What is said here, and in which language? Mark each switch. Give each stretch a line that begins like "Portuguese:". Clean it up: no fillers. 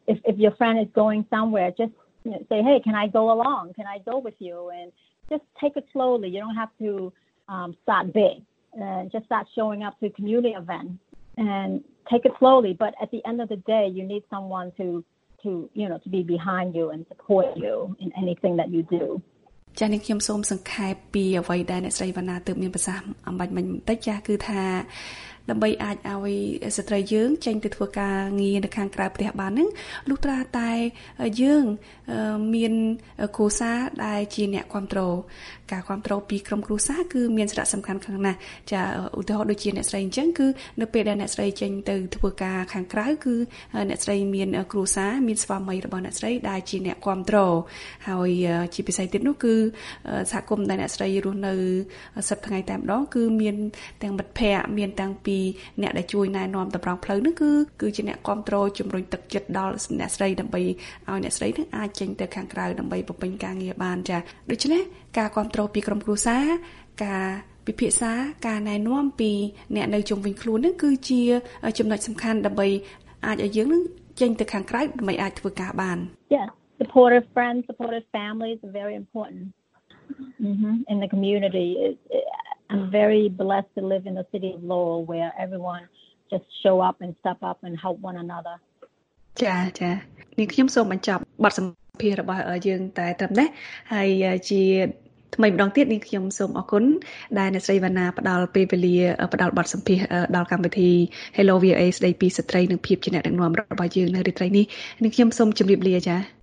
English: if your friend is going somewhere just you know, say hey can I go with you and just take it slowly you don't have to start big and just start showing up to community events and take it slowly but at the end of the day you need someone to be behind you and support you in anything that you do.
Khmer: ចា៎នេះខ្ញុំសូមសង្ខេបពីអ្វីដែលអ្នកស្រីវណ្ណាទើបមានប្រសាសន៍អំបញ្ញមិញបន្តិចចា៎គឺថាដើម្បីអាចឲ្យស្ត្រីយើងចេញទៅធ្វើការងារនៅខាងក្រៅប្រទេសបានហ្នឹងលុះត្រាតែយើង មានគ្រួសារដែលជាអ្នកគ្រប់គ្រងការគ្រប់គ្រងពីក្រុមគ្រួសារគឺមានសារៈសំខាន់ខ្លាំងណាស់ចាឧទាហរណ៍ដូចជាអ្នកស្រីអញ្ចឹងគឺនៅពេលដែលអ្នកស្រីចេញទៅធ្វើការខាងក្រៅគឺអ្នកស្រីមានគ្រួសារមានស្វាមីរបស់អ្នកស្រីដែលជាអ្នកគ្រប់គ្រងហើយជាពិសេសទៀតនោះគឺ សហគមន៍ដែលអ្នកស្រីរស់នៅសប្តាហ៍ថ្ងៃតែម្ដងគឺមានទាំងមិត្តភ័ក្តិមានទាំងពីអ្នកដែលជួយណែនាំតម្រង់ផ្លូវនោះគឺជាអ្នកគ្រប់គ្រងជំរុញទឹកចិត្តដល់អ្នកស្រីដើម្បីឲ្យអ្នកស្រីនឹងអាចចេញទៅខាងក្រៅដើម្បីបំពេញការងារបានចា៎ដូច្នេះការគ្រប់គ្រងពីក្រុមគ្រួសារការពិភាក្សាការណែនាំពីអ្នកនៅជុំវិញខ្លួននោះគឺជាចំណុចសំខាន់ដើម្បីអាចឲ្យយើងនឹងចេញទៅខាងក្រៅដើម្បីអាចធ្វើការបាន
English: Yeah supportive friends supportive family is very important in the community I'm very blessed to live in the city of Lowell where everyone just show up and step up and help one another.
Khmer: ចាចានេះខ្ញុំសូមបញ្ចប់បទសម្ភាសន៍របស់យើងតែត្រឹមនេះហើយជាថ្មីម្ដងទៀតនេះខ្ញុំសូមអរគុណដែលអ្នកស្រីវណ្ណាផ្ដល់ពេលវេលាផ្ដល់បទសម្ភាសន៍ដល់កម្មវិធី Hello VA ស្ដីពីស្ត្រីនិងភាពជាអ្នកដឹកនាំរបស់យើងនៅរាត្រីនេះនេះខ្ញុំសូមជម្រាបលាចា